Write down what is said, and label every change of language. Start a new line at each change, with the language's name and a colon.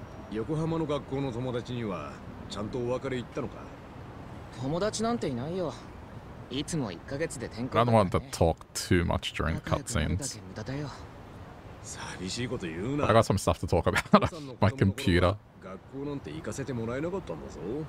Japanese: 横浜の学校の友達にはちゃんとお別れ言ったのか? 友達なんていないよ。いつも1ヶ月で転校だね。
English: I don't want to talk too much during cutscenes.
Japanese: 寂しいこと言うな。
English: I got some stuff to talk about on my computer.
Japanese: 学校なんて行かせてもらえなかったんだぞ。